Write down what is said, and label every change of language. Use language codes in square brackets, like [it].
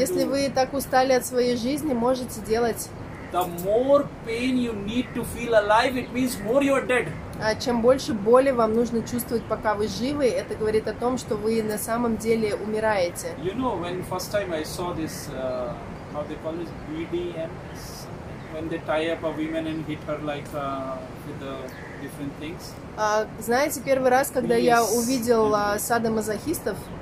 [ru] Если вы так устали от своей жизни, можете делать. [en] The more pain you need to feel alive, it means more you're dead. [ru] А чем больше боли вам нужно чувствовать, пока вы живы, это говорит о том, что вы на самом деле умираете. [en] You know, when first time I saw this, how they call this, BDM. When they tie up a woman and hit her like with the different things. [ru] Знаете, первый раз, когда [en] yes. [ru] я увидел садомазохистов.